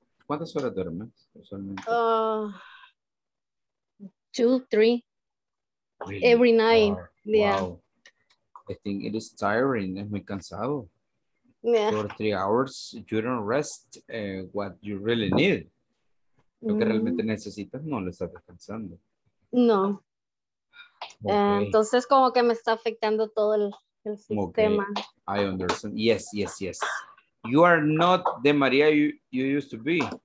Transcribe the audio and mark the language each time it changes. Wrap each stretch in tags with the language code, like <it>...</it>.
<es>¿Cuántas horas duermes usualmente?</es> <en>2, 3. Really? Every night. I think it is tiring.</en> <es>Es muy cansado.</es> <en>Yeah. 2 or 3 hours, you don't rest what you really need.</en> <es>Lo que realmente necesitas, no lo estás descansando.</es> <en>No. Okay.</en> <es>Entonces, como que me está afectando todo el sistema.</es> <en>Okay. I understand. Yes. You are not the Maria you used to be.</en>